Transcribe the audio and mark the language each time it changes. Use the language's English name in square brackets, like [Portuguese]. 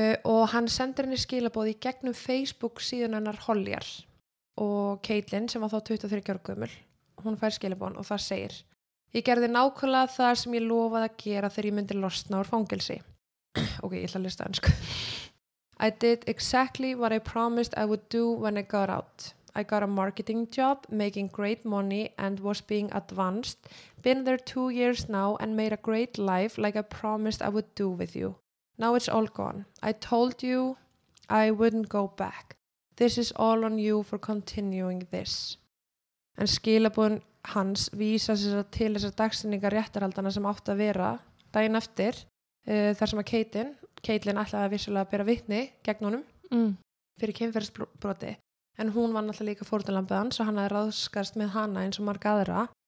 [Icelandic] Og hann sendir henni skilaboð í gegnum Facebook síðan hennar Holly-ar og Caitlin sem var þá 23 ára gömul. Hún fær skilaboðan og það segir Ég gerði nákvæmlega það sem ég lofaði að gera þegar ég myndi losna úr fangelsi. Ok, ég ætla að lista ensku. [English] I did exactly what I promised I would do when I got out. I got a marketing job, making great money and was being advanced. Been there 2 years now and made a great life like I promised I would do with you. Now it's all gone. I told you I wouldn't go back. This is all on you for continuing this. [Icelandic] En skilabun hans vísa sér til þessar dagsetningar réttarhaldana sem átti að vera daginn eftir þar sem að Caitlin ætlaði að vissulega bera vitni gegn honum fyrir kynferðisbroti. En hún var náttúrulega líka fórnarlambið hans og hann hafði ráðskast með hana eins og marga aðra.